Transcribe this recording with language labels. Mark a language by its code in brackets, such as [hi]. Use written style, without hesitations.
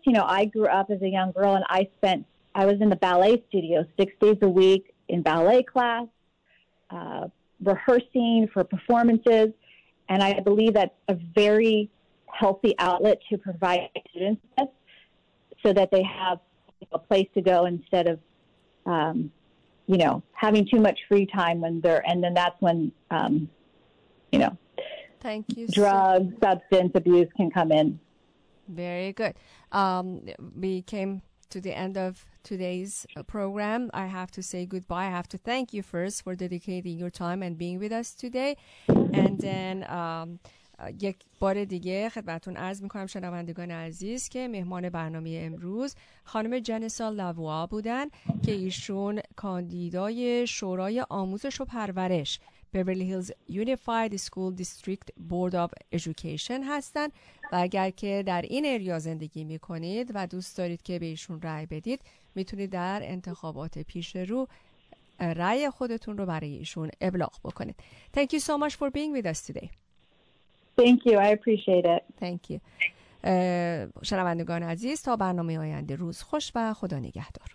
[en] You know, I grew up as a young girl and I was in the ballet studio 6 days a week in ballet class, rehearsing for performances, and I believe that's a very healthy outlet to provide students with so that they have a place to go instead of, you know, having too much free time when they're, and then that's when, you know, thank you. Drugs, substance abuse can come in. Very good. We came to the end of today's program. I have to say goodbye. I have to thank you first for dedicating your time and being with us today. And then, [fa] یک بار دیگه خدمتون عرض میکنم شنوندگان عزیز که مهمان برنامه امروز خانم جنسا لاووا بودن که ایشون کاندیدای شورای آموزش و پرورش Beverly Hills Unified School District Board of Education هستن و اگر که در این ایریا زندگی میکنید و دوست دارید که به ایشون رأی بدید میتونید در انتخابات پیش رو رأی خودتون رو برای ایشون ابلاغ بکنید. [en] Thank you so much for being with us today. Thank you. I appreciate it. Thank you. [fa] شنوندگان عزیز تا برنامه آینده روز خوش و خدا نگهدار.